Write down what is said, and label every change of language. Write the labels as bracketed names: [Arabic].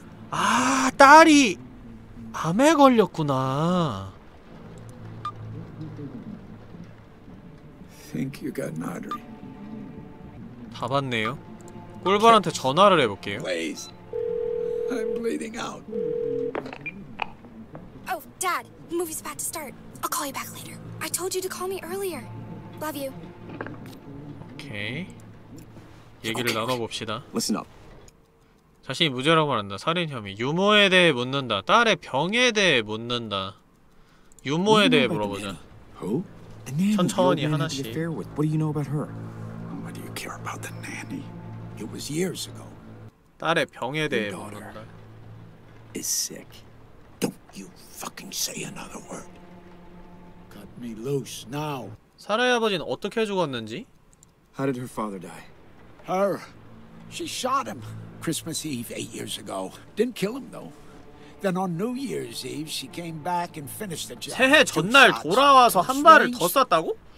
[Korean] 아, 딸이 암에 걸렸구나. [English] Think you got nodary. [Korean] 다 봤네요. 꿀벌한테 전화를 해볼게요. [English] Please. I'm bleeding out. Oh, Dad, movie's about to start. I'll call you back later. I told you to call me earlier. Love you. [Korean] Okay. 얘기를 okay. 나눠봅시다. [English] Listen up. [Korean] 자신이 무죄라고 말한다. 살인 혐의. 유모에 대해 묻는다. 딸의 병에 대해 묻는다. 유모에 대해 물어보자. 천천히 하나씩. [English] What do you know about her? What do you care about the nanny? It was years ago. [Korean] 딸의 병에 대해 묻는다. [English] Is sick. Don't you fucking say another word. Cut me loose now. [Korean] 사라의 아버지는 어떻게 죽었는지? [English] How did her father die? Her. She shot him. Christmas Eve, 8 years ago. Didn't kill him though. Then on New Year's Eve, she came back and finished the job. [Korean] 새해 전날 돌아와서 한 발을 더 쐈다고?